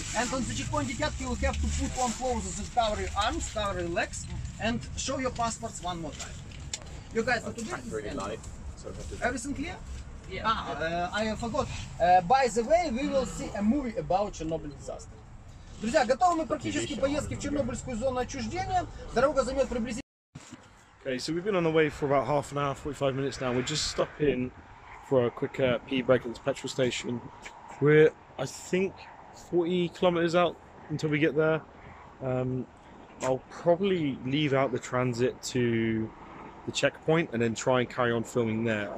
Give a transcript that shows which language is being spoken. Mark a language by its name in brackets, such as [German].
[English] And on the checkpoint detatki, you'll have to put on clothes that cover your arms, cover your legs, and show your passports one more time. You guys, are today pretty light. Everything clear? Yeah. I forgot. By the way, we will see a movie about Chernobyl disaster. [Russian] Друзья, готовы мы практически поездки в Чернобыльскую зону отчуждения. Дорога займет приблизительно... [English] Okay, so we've been on the way for about half an hour, 45 minutes now. We're just stopping for a quick pee break at the petrol station. We're, I think, 40 kilometers out until we get there. I'll probably leave out the transit to the checkpoint and then try and carry on filming there.